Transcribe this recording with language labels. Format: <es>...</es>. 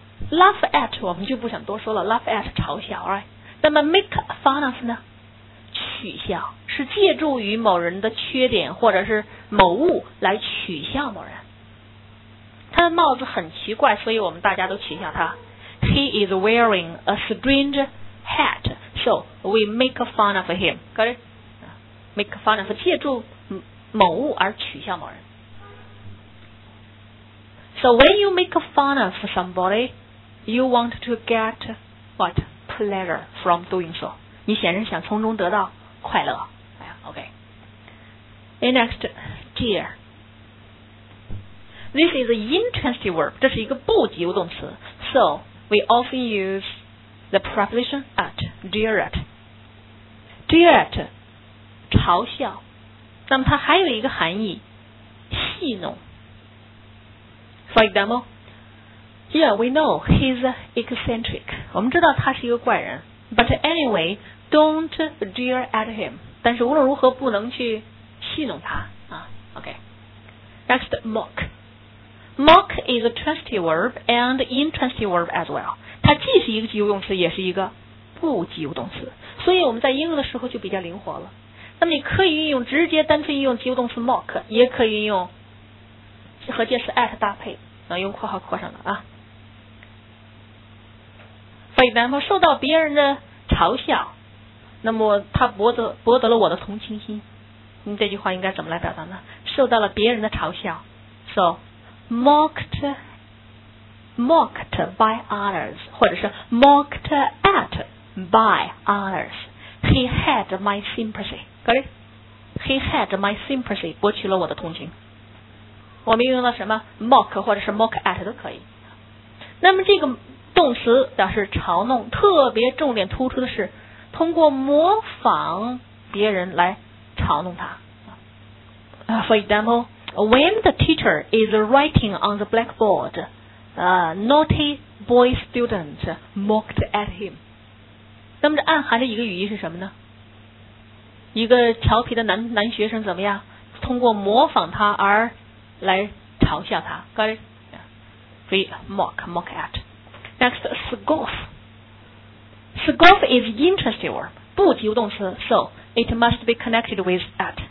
<zh>Laugh at 我们就不想多说了 Laugh at 嘲笑、right? 那么 make fun of 呢取笑是借助于某人的缺点或者是某物来取笑某人他的帽子很奇怪所以我们大家都取笑他 He is wearing a strange hat So we make fun of him Got it?</zh> <en>Make fun of 借助某物而取笑某人 So when you make fun of somebodyYou want to get what pleasure from doing so?</en> <zh>你显然想从中得到快乐。</zh> <en>OK. And next, dear. This is an intransitive verb. 这是一个不及物动词。 So we often use the preposition at, dear at. Dear at, 嘲笑。</en> <zh>那么它还有一个含义，戏弄。</zh> <en>For example. Yeah, we know he's eccentric.</en> <zh>我们知道他是一个怪人。</zh> <en>But anyway, don't jeer at him. 但是无论如何不能去戏弄他。 Okay. Next, mock. Mock is a transitive verb and intransitive verb as well.</en> <zh>它既是一个及物动词，也是一个不及物动词。所以我们在应用的时候就比较灵活了。那么你可以运用直接单纯运用及物动词 mock， 也可以运用和介词 at 搭配，然后用括号括上的啊。 For example， 受到别人的嘲笑，那么他博得了我的同情心。你这句话应该怎么来表达呢？受到了别人的嘲笑 ， so mocked by others，或者是 mocked at by others。 He had my sympathy， 可以 ？He had my sympathy，</zh> <en>博取了我的同情。</en> <zh>我们用了什么 mock 或者是 mock at 都可以。那么这个动词表示嘲弄，特别重点突出的是通过模仿别人来嘲弄他。</zh> <en>For example, when the teacher is writing on the blackboard, a naughty boy student mocked at him.</en> <zh>那么这暗含着一个语义是什么呢？一个调皮的男学生怎么样？通过模仿他而来嘲笑他。</zh> <en>Got it? We mock at. Next, scoff. Scoff is intransitive verb, 不及物动词。So it must be connected with at.</en>